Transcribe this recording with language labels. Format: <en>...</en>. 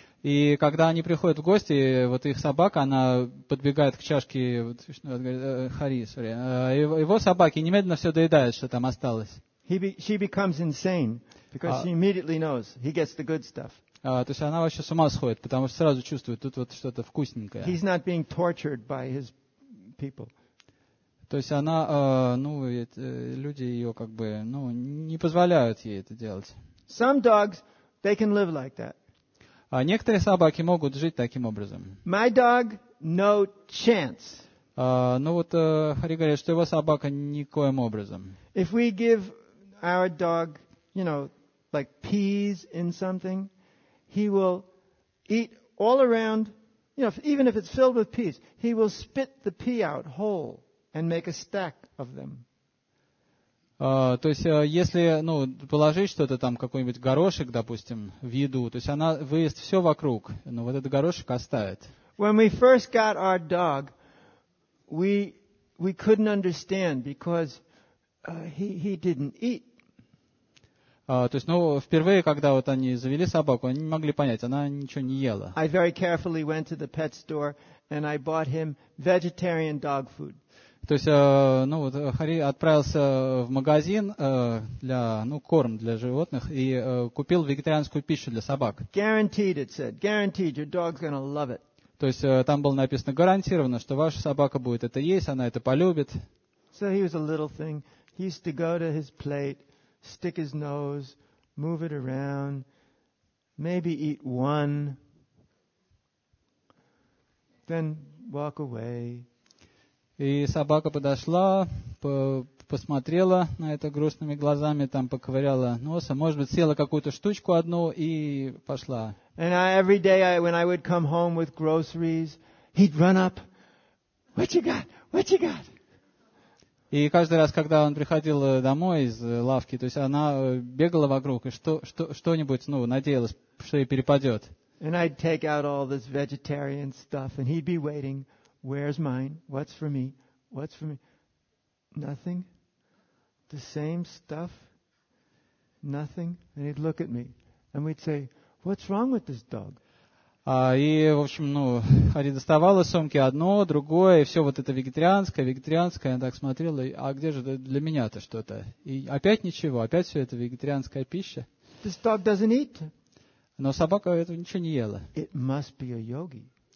<ru>И когда они приходят в гости, вот их собака, она подбегает к чашке, вот, Хари, sorry, его собаки немедленно все доедают, что там осталось.</ru> <en>She becomes insane because she immediately knows he gets the good stuff.</en> <ru>То есть она вообще с ума сходит, потому что сразу чувствует, тут вот что-то вкусненькое.</ru> <en>He's not being tortured by his people.</en> <ru>То есть она, люди ее как бы, ну, не позволяют ей это делать.</ru> <en>Some dogs, they can live like that.</en> <ru>Некоторые собаки могут жить таким образом.</ru> <en>My dog, no chance.</en> <ru>Хари говорит, что его собака никоим образом.</ru> <en>If we give our dog, you know, like peas in something, he will eat all around, you know, even if it's filled with peas, he will spit the pea out whole. And make a stack of them.</en> <ru>То есть, если, ну, положить что-то там, какой-нибудь горошек, допустим, в еду, то есть она выест все вокруг, но вот этот горошек оставит.</ru> <en>When we first got our dog, we couldn't understand because he didn't eat.</en> <ru>То есть, ну, впервые, когда вот они завели собаку, они не могли понять, она ничего не ела.</ru> <en>I very carefully went to the pet store and I bought him vegetarian dog food.</en> <ru>То есть, ну вот, Хари отправился в магазин для, ну, корм для животных и купил вегетарианскую пищу для собак.</ru> <en>Guaranteed, it said. Guaranteed, your dog's gonna love it.</en> <ru>То есть, там было написано гарантированно, что ваша собака будет это есть, она это полюбит.</ru> <en>So he was a little thing. He used to go to his plate, stick his nose, move it around, maybe eat one, then walk away.</en> <ru>И собака подошла, посмотрела на это грустными глазами, там поковыряла носа, может быть, съела какую-то штучку одну и пошла.</ru> <en>And I, every day, I, when I would come home with groceries, he'd run up. What you got? What you got?</en> <ru>И каждый раз, когда он приходил домой из лавки, то есть она бегала вокруг и что-нибудь, ну, надеялась, что ей перепадет.</ru> <en>And I'd take out all this vegetarian stuff, and he'd be waiting. Where's mine? What's for me? What's for me? Nothing. The same stuff. Nothing. And he'd look at me, and we'd say, "What's wrong with this dog?"</en> <ru>И, в общем, ну, они доставали сумки одно, другое, и все вот это вегетарианское, вегетарианское. Я так смотрела, а где же для меня-то что-то? И опять ничего, опять все это вегетарианская пища.</ru> <en>This dog doesn't eat.</en> <ru>Но собака этого ничего не ела.</ru> <en>It must be a yogi.</en>